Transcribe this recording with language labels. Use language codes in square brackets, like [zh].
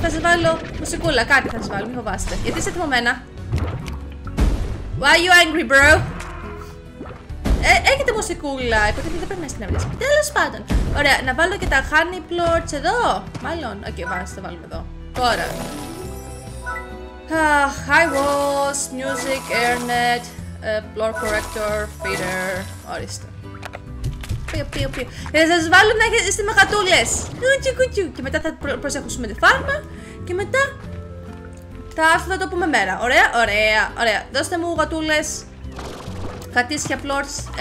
[el] Θα σε βάλω μουσικούλα. Κάτι θα σε βάλω, μην φοβάστε. Γιατί είσαι θυμωμένα. [en] Why are you angry, bro? [el] Έχετε μουσικούλα. Υποτίθεται δεν πρέπει να είστε νευριασμένα. Τέλος πάντων. Ωραία, να βάλω και τα honey plorts εδώ. Μάλλον. Οκ, βάζω, θα βάλουμε εδώ. Τώρα. [en] High walls, music, airnet, floor corrector, feeder. [el] Ορίστε. Πιο, πιο, πιο. Θα σας βάλω να είστε μεγατούλες. Κουτσου, κουτσου. Και μετά θα προσεχούσουμε τη φάρμα. Και μετά θα το πούμε μέρα. Ωραία, ωραία, ωραία. Δώστε μου γατούλες. Κατήσια floors.